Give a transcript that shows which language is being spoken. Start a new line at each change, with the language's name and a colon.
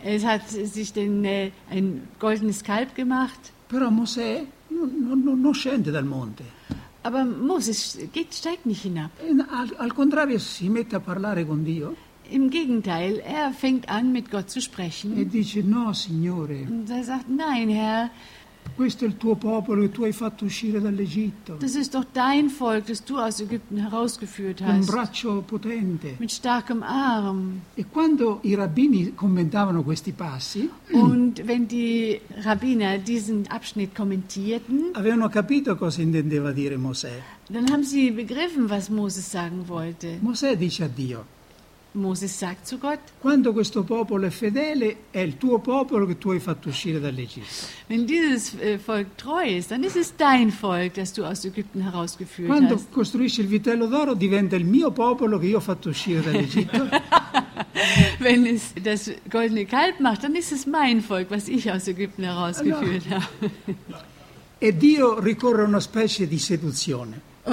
German: Es hat sich denn ein goldenes Kalb gemacht.
Italian: Però Mosè non scende dal monte.
German: Aber Moses steigt nicht hinab.
Italian: Al contrario, si mette a parlare con Dio.
German: Im Gegenteil, er fängt an, mit Gott zu sprechen.
Italian: E dice, no, Signore.
German: Und er sagt, nein, Herr.
Italian: Questo è il tuo popolo che tu hai fatto uscire dall'Egitto.
German: Das ist doch dein Volk, das du aus Ägypten herausgeführt hast.
Italian: Un braccio potente.
German: Mit starkem Arm.
Italian: E quando i rabbini commentavano questi passi,
German: und wenn die Rabbiner diesen Abschnitt kommentierten,
Italian: avevano capito cosa intendeva dire Mosè.
German: Dann haben sie begriffen, was Moses sagen wollte.
Italian: Mosè dice a Dio.
German: Moses sagt zu Gott,
Italian: quando questo popolo è fedele, è il tuo popolo che tu hai fatto uscire dall'Egitto.
German: Wenn dieses Volk treu ist, dann ist es dein Volk, das du aus Ägypten herausgeführt
Italian: quando
German: hast.
Italian: Quando costruisci il vitello d'oro, diventa il mio popolo che io ho fatto uscire dall'Egitto.
German: Wenn es das goldene Kalb macht, dann ist es mein Volk, was ich aus Ägypten herausgeführt habe.
Italian: E Dio ricorre a una specie di seduzione.